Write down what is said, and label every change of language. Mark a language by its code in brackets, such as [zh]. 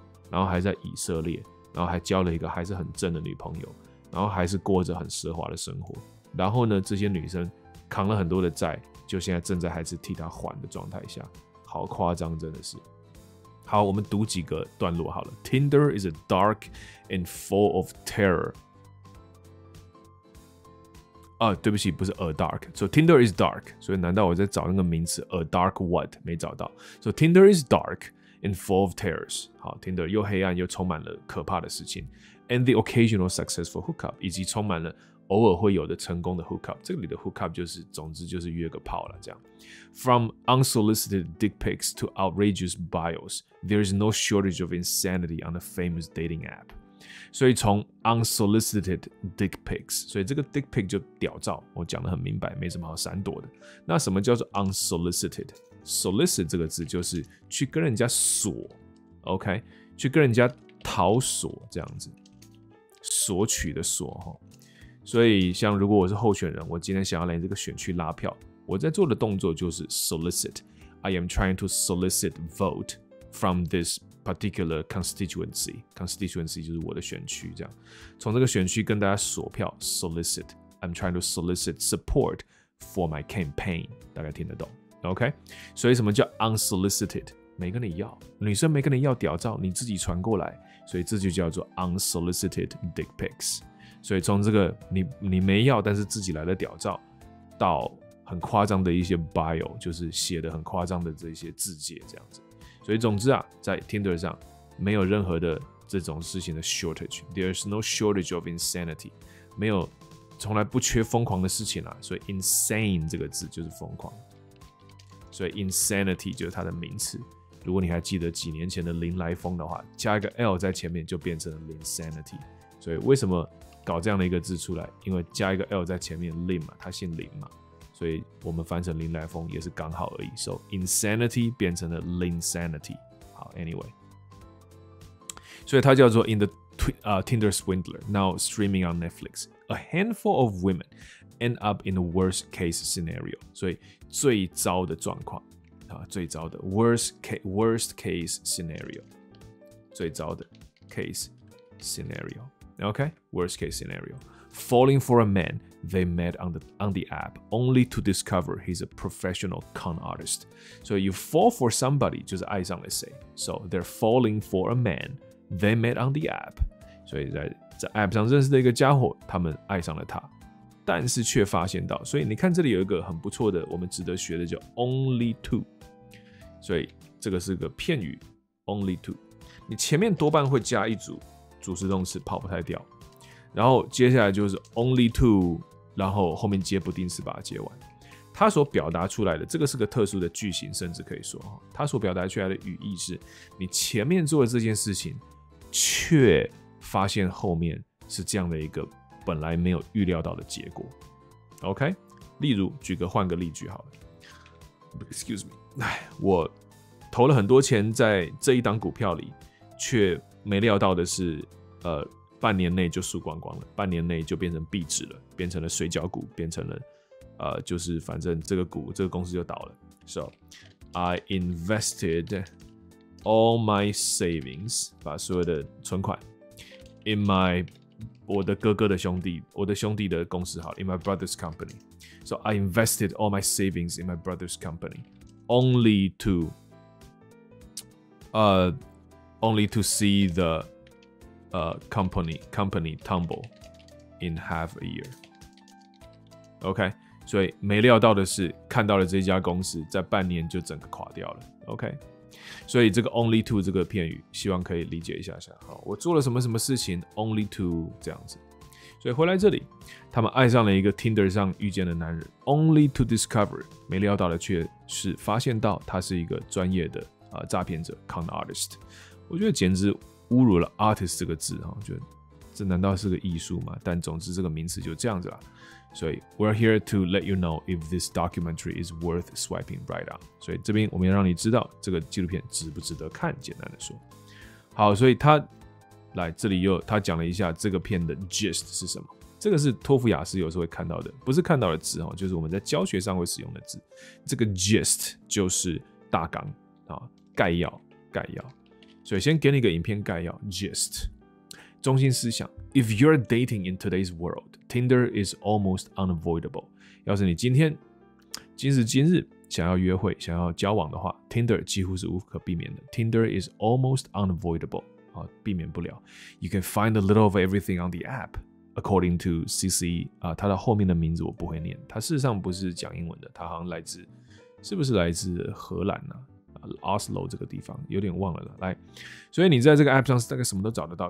[zh] 然后还在以色列，然后还交了一个还是很正的女朋友，然后还是过着很奢华的生活。然后呢，这些女生扛了很多的债，就现在正在还是替她还的状态下，好夸张，真的是。好，我们读几个段落好了。 [en] Tinder is a dark and full of terror. [zh] 啊，对不起，不是 [en] a dark. So Tinder is dark. [zh] 所以难道我在找那个名词 [en] a dark what [zh] 没找到 [en] ？So Tinder is dark. And full of terrors. [zh] 好 ，Tinder 又黑暗又充满了可怕的事情。 [en] And the occasional successful hookup， [zh] 以及充满了偶尔会有的成功的 hookup。这里的 hookup 就是，总之就是约个炮了这样。 [en] From unsolicited dick pics to outrageous bios, there is no shortage of insanity on a famous dating app. [zh] 所以从 [en] unsolicited dick pics， [zh] 所以这个 dick pic 就屌照，我讲得很明白，没什么好闪躲的。那什么叫做 unsolicited？ Solicit 这个字就是去跟人家索 ，OK， 去跟人家讨索这样子，索取的索哈。所以像如果我是候选人，我今天想要来这个选区拉票，我在做的动作就是 solicit。 [en] I am trying to solicit vote from this [zh] particular constituency， constituency 就是我的选区，这样从这个选区跟大家索票 solicit， [en] I'm trying to solicit support for my campaign， [zh] 大概听得懂 OK。所以什么叫 unsolicited？ 没跟你要，女生没跟你要屌照，你自己传过来，所以这就叫做 unsolicited dick pics。所以从这个 你没要但是自己来的屌照，到很夸张的一些 bio， 就是写的很夸张的这些字节这样子。所以总之啊，在 Tinder 上没有任何的这种事情的 shortage， [en] There's no shortage of insanity， [zh] 没有，从来不缺疯狂的事情啊。所以 insane 这个字就是疯狂，所以 insanity 就是它的名词。如果你还记得几年前的林来疯的话，加一个 L 在前面就变成了 insanity。所以为什么搞这样的一个字出来，因为加一个 L 在前面，林嘛，他姓林嘛，所以我们翻成林来疯也是刚好而已。 [en] So insanity [zh] 变成了 [en] linsanity。好 anyway， [zh] 所以它叫做 [en] in the Tinder swindler now streaming on Netflix， a handful of women end up in the worst case scenario。 [zh] 所以最糟的状况，最糟的 [en] worst case scenario， [zh] 最糟的 [en] case scenario， OK， worst case scenario， falling for a manThey met on the app only to discover he's a professional con artist. So you fall for somebody, [zh] 就是爱上了谁。 [en] So they're falling for a man they met on the app. [zh] 所以在 app 上认识的一个家伙，他们爱上了他，但是却发现到。所以你看这里有一个很不错的，我们值得学的叫 only to。所以这个是个片语 only to。你前面多半会加一组主词动词，跑不太掉。然后接下来就是 only to， 然后后面接不定式把它接完。他所表达出来的，这个是个特殊的句型，甚至可以说他所表达出来的语义是，你前面做的这件事情却发现后面是这样的一个本来没有预料到的结果。 OK， 例如举个换个例句好了， [en] excuse me， [zh] 我投了很多钱在这一档股票里，却没料到的是半年内就输光光了，半年内就变成壁纸了，变成了水饺股，变成了就是反正这个股这个公司就倒了。 [en] So I invested all my savings， [zh] 把所有的存款 [en] in my [zh] 我的哥哥的兄弟，我的兄弟的公司好 [en] in my brother's company。 So I invested all my savings in my brother's company only to only to see thecompany tumble in half a year。 [zh] OK， 所以没料到的是看到了这家公司在半年就整个垮掉了。 OK， 所以这个 only to 这个片语希望可以理解一下下。好，我做了什么什么事情 only to 这样子。所以回来这里，他们爱上了一个 Tinder 上遇见的男人， [en] only to discover， [zh] 没料到的却是发现到他是一个专业的诈骗者 con artist。我觉得简直侮辱了 artist 这个字，就这难道是个艺术吗？但总之这个名词就这样子了。所以 [en] we're here to let you know if this documentary is worth swiping right on。 [zh] 所以这边我们要让你知道这个纪录片值不值得看，简单的说。好，所以他来这里又他讲了一下这个片的 gist 是什么。这个是托福雅思有时候会看到的，不是看到的字，就是我们在教学上会使用的字。这个 gist 就是大纲，概要，概要。所以先给你一个影片概要 ，gist， 中心思想。 [en] If you're dating in today's world, Tinder is almost unavoidable。 [zh] 要是你今天今时今日想要约会、想要交往的话 ，Tinder 几乎是无可避免的。 [en] Tinder is almost unavoidable， [zh] 啊，避免不了。 [en] You can find a little of everything on the app, according to CC。 [zh] 啊，它的后面的名字我不会念。它事实上不是讲英文的，它好像来自，是不是来自荷兰呢？ Oslo 这个地方有点忘了，来，所以你在这个 app 上大概什么都找得到。